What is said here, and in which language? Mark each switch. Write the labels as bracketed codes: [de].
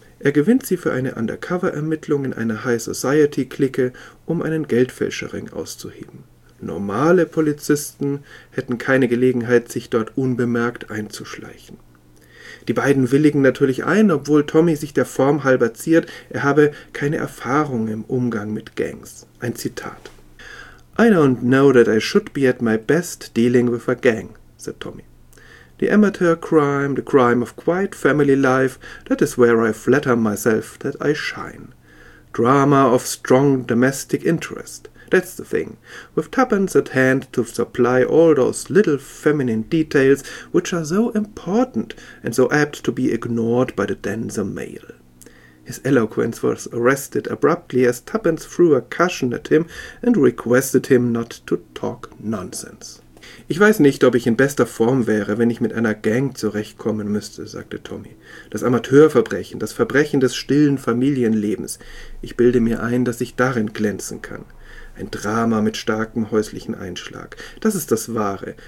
[de] Er gewinnt sie für eine Undercover-Ermittlung in einer High-Society-Clique, um einen Geldfälscherring auszuheben. Normale Polizisten hätten keine Gelegenheit, sich dort unbemerkt einzuschleichen. Die beiden willigen natürlich ein, obwohl Tommy sich der Form halber ziert, er habe keine Erfahrung im Umgang mit Gangs. Ein Zitat. [en] "I don't know that I should be at my best dealing with a gang," said Tommy. "The amateur crime, the crime of quiet family life, that is where I flatter myself that I shine. Drama of strong domestic interest, that's the thing, with Tappens at hand to supply all those little feminine details which are so important and so apt to be ignored by the denser male." His eloquence was arrested abruptly as Tappens threw a cushion at him and requested him not to talk nonsense. [de] "Ich weiß nicht, ob ich in bester Form wäre, wenn ich mit einer Gang zurechtkommen müsste", sagte Tommy. "Das Amateurverbrechen, das Verbrechen des stillen Familienlebens. Ich bilde mir ein, dass ich darin glänzen kann. Ein Drama mit starkem häuslichen Einschlag. Das ist das Wahre.